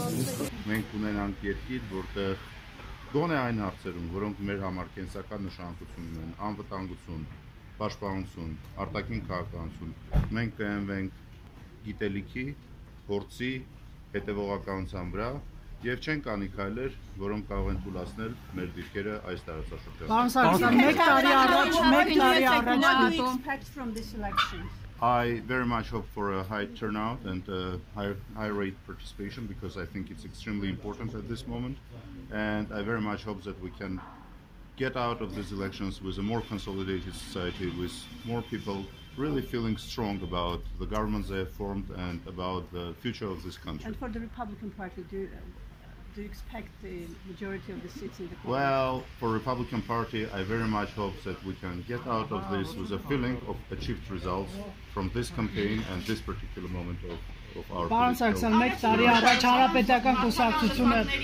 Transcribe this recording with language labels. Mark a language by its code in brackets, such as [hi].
[hy] Որտեղ գոնե այն հարցերում, որոնք մեր համար կենսական նշանակություն ունեն, անվտանգություն, պաշտպանություն, արտաքին քաղաքականություն, մենք կենվենք գիտելիքի, փորձի, հետևողականության վրա և չեն կանի քայլեր, որոնք կարող են թույլատրել մեր դիրքերը այս տարածաշրջանում։ Պարոն Սարգսյան, մեկ տարի առաջ [en] I very much hope for a high turnout and a high rate participation because I think it's extremely important at this moment. And I very much hope that we can get out of these elections with a more consolidated society, with more people really feeling strong about the governments they have formed and about the future of this country. And for the Republican Party, do you expect the majority of the seats in the court? Well, for Republican Party, I very much hope that we can get out of this with a feeling of achieved results from this campaign and this particular moment of our [hy] Baron Sarkisyan, մեկ տարի առաջ հանրապետական կուսակցությունը